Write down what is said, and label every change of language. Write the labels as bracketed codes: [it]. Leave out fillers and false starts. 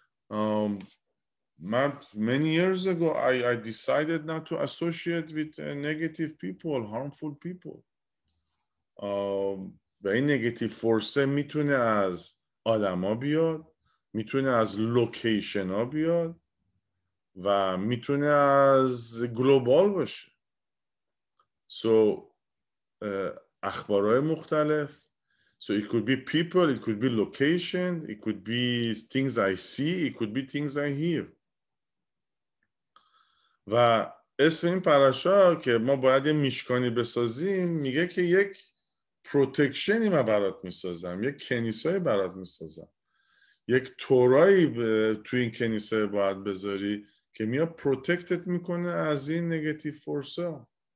[en] Many years ago, I decided not to associate with negative people, harmful people. [fa] Very negative force میتونه از آدم ها بیاد، میتونه از لوکیشن ها بیاد و میتونه از گلوبال باشه. So اخبارهای مختلف. [en] So it could be people, it could be location, it could be things I see, it could be things I hear. [fa] و اسم این پرشا که ما باید یه میشکانی بسازیم، میگه که یک پروتکشنی من برات میسازم، یک کنیسای برات میسازم، یک تورایی تو این کنیسه باید بذاری که میاد پروتکتت میکنه از این نگتیف فورس ها.